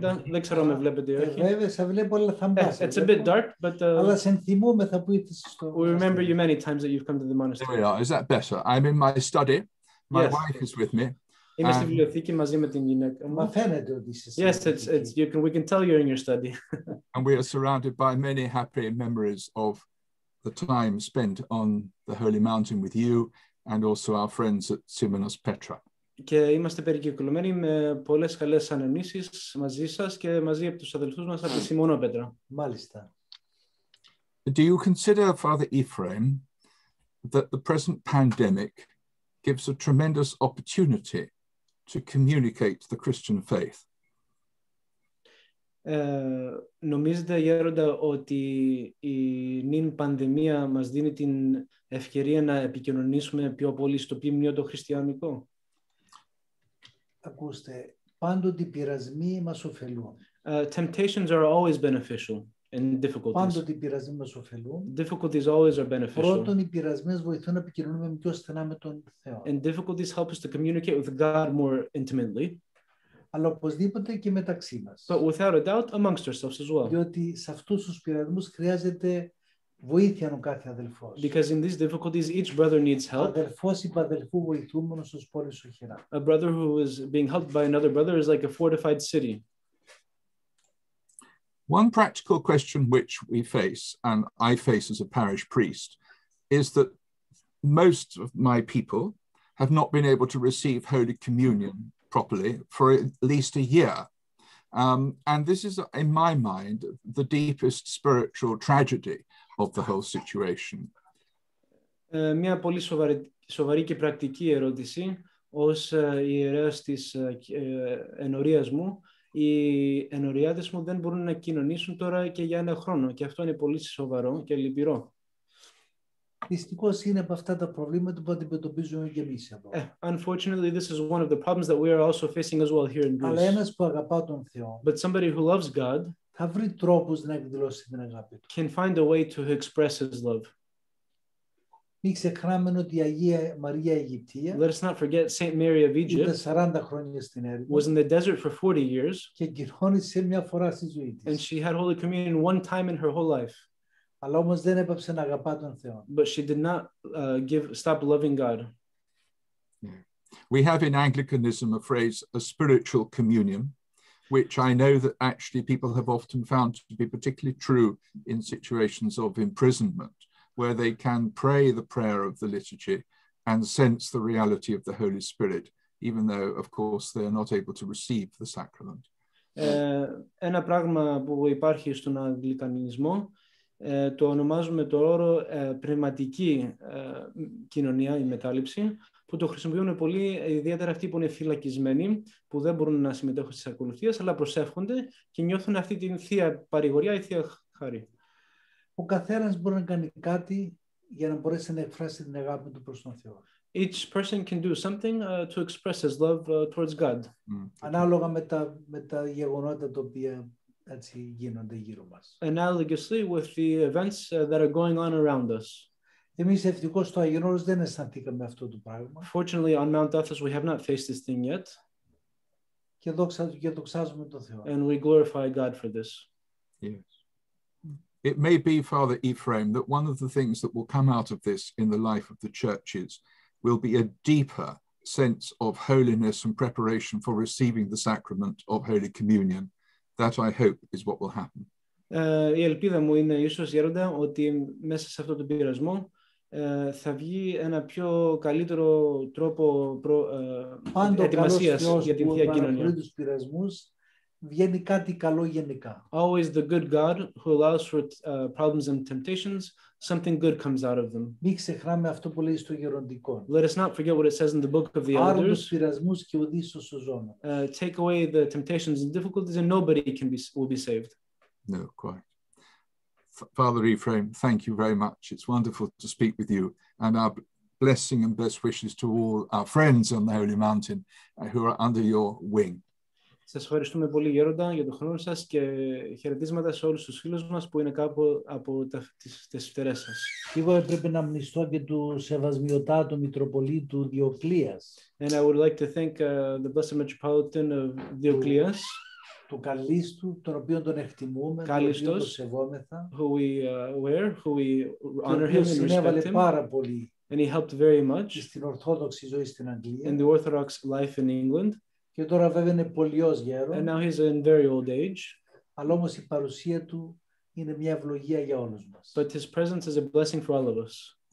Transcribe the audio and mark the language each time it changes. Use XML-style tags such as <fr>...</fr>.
<el>Δεν ξέρω αν με βλέπετε ή όχι. Βέβαια, σε βλέπω, αλλά θα μπάσω.</el> <en>It's a bit dark, but...</en> <el>Αλλά σε ενθυμούμεθα που ήρθες στο...</el> <en>We remember you many times that you've come to the monastery. There we are. Is that better? I'm in my study. My wife is with me.</en> <el>Είμαι στη βιβλιοθήκη μαζί με την γυναίκα. Μα φαίνεται ότι είσαι.</el> <en>Yes, it's, you can, we can tell you're in your study. And we are surrounded by many happy memories of the time spent on the Holy Mountain with you and also our friends at Simonas Petra.</en> <el>Και είμαστε περικυκλωμένοι με πολλές καλές αναμνήσεις μαζί σας και μαζί από τους αδελφούς μας από τη Σιμώνα Πέτρα. Μάλιστα.</el> <en>Do you consider, Father Ephraim, that the present pandemic gives a tremendous opportunity to communicate the Christian faith?</en> <el>Νομίζετε, Γέροντα, ότι η νυν πανδημία μας δίνει την ευκαιρία να επικοινωνήσουμε πιο πολύ στο ποιμνιό το χριστιανικό? Ακούστε, πάντοτε οι πειρασμοί μας ωφελούν.</el> <en>Temptations are always beneficial and difficulties.</en> <el>Πάντοτε οι πειρασμοί μας ωφελούν.</el> <en>Difficulties always are beneficial.</en> <el>Πρώτον, οι πειρασμοί βοηθούν να επικοινωνούμε πιο στενά με τον Θεό.</el> <en>And difficulties help us to communicate with God more intimately.</en> <el>Αλλά οπωσδήποτε και μεταξύ μας.</el> <en>But without a doubt, amongst ourselves as well.</en> <el>Διότι σε αυτούς τους πειρασμούς χρειάζεται βοήθεια ο κάθε αδελφός.</el> <en>Because in these difficulties, each brother needs help.</en> <el>Αδελφός υπ' αδελφού βοηθούμενος ως πόλη σοχηρά.</el> <en>A brother who is being helped by another brother is like a fortified city. One practical question which we face, and I face as a parish priest, is that most of my people have not been able to receive Holy Communion properly for at least a year. And this is, in my mind, the deepest spiritual tragedy of the whole situation.</en> <el>Μια πολύ σοβαρή και πρακτική ερώτηση ως ιερέας της ενορίας μου. Οι ενοριάδες μου δεν μπορούν να κοινωνήσουν τώρα και για ένα χρόνο. Και αυτό είναι πολύ σοβαρό και λυπηρό. Δυστυχώς είναι από αυτά τα προβλήματα που αντιμετωπίζουμε και εμείς εδώ.</el> <en>Unfortunately, this is one of the problems that we are also facing as well here in Greece.</en> <el>Αλλά ένας που αγαπά τον Θεό.</el> <en>But somebody who loves God.</en> <el>Θα βρει τρόπους να εκδηλώσει την αγάπη του.</el> <en>Can find a way to express his love.</en> <el>Μην ξεχνάμε ότι η Αγία Μαρία Αιγυπτία.</el> <en>Let us not forget Saint Mary of Egypt.</en> <el>Ήταν 40 χρόνια στην έρημο.</el> <en>Was in the desert for 40 years.</en> <el>Και κοινώνησε μια φορά στη ζωή της.</el> <en>And she had Holy Communion one time in her whole life.</en> <el>Αλλά όμως δεν έπαψε να αγαπά τον Θεό.</el> <en>But she did not stop loving God. We have in Anglicanism a phrase, a spiritual communion, which I know that actually people have often found to be particularly true in situations of imprisonment, where they can pray the prayer of the liturgy and sense the reality of the Holy Spirit, even though, of course, they are not able to receive the sacrament.</en> <el>Ένα πράγμα που υπάρχει στον Αγγλικανισμό, το ονομάζουμε το όρο πνευματική κοινωνία ή μετάληψη, που το χρησιμοποιούν πολύ, ιδιαίτερα αυτοί που είναι φυλακισμένοι, που δεν μπορούν να συμμετέχουν στις ακολουθίες, αλλά προσεύχονται και νιώθουν αυτή την θεία παρηγοριά ή θεία χάρη. Ο καθένας μπορεί να κάνει κάτι για να μπορέσει να εκφράσει την αγάπη του προς τον Θεό.</el> <en>Each person can do something to express his love towards God.</en> <el>Ανάλογα με τα γεγονότα τα οποία έτσι γίνονται γύρω μας.</el> <en>Analogously with the events that are going on around us.</en> <el>Εμείς ευτυχώς στο Άγιον Όρος δεν αισθανθήκαμε αυτό το πράγμα.</el> <en>Fortunately, on Mount Athos, we have not faced this thing yet.</en> <el>Και δοξάζουμε τον Θεό.</el> <en>And we glorify God for this. Yes. It may be, Father Ephraim, that one of the things that will come out of this in the life of the churches will be a deeper sense of holiness and preparation for receiving the sacrament of Holy Communion. That, I hope, is what will happen.</en> <el>Η ελπίδα μου είναι, ίσως, Γέροντα, ότι μέσα σε αυτό το πειρασμό θα βγει ένα πιο καλύτερο τρόπο ετοιμασίας για την Θεία Κοινωνία. Πάντο καλός Θεός που βγαίνει κάτι καλό γενικά.</el> <en>Always the good God who allows for problems and temptations, something good comes out of them.</en> <el>Μην ξεχνάμε αυτό που λέει στο γεροντικό.</el> <en>Let us not forget what it says in the book of the elders.</en> <el>Πάρουν τους πειρασμούς και οδήσου στο ζώμα.</el> <en>Take away the temptations and difficulties and nobody will be saved. No, quite. Father Ephraim, thank you very much. It's wonderful to speak with you. And our blessing and best wishes to all our friends on the Holy Mountain who are under your wing.</en> <el>Σας ευχαριστούμε πολύ, Γέροντα, για τον χρόνο σας και χαιρετίσματα σε όλους τους φίλους μας που είναι κάπου από τις φτερές σας. Εγώ έπρεπε να μνηστώ και του Σεβασμιωτάτου Μητροπολίτου Διοκλίας.</el> <en>And I would like to thank the Blessed Metropolitan of Diocletian.</en> <el>Του Καλίστου, τον οποίον τον εκτιμούμε, Καλίστος, τον οποίον τον σεβόμεθα.</el> <en>Who we wear, who we honor him and respect him.</en> <el>Συνέβαλε πάρα πολύ.</el> <en>And he helped very much.</en> <el>Στην Ορθόδοξη ζωή στην Αγγλία.</el> <en>In the Orthodox life in England.</en> <el>Και τώρα βέβαια είναι πολιός γέρος.</el> <en>And now he's in very old age.</en> <el>Αλλά όμως η παρουσία του είναι μια ευλογία για όλους μας.</el> <en>But his presence is a blessing for all of us.</en>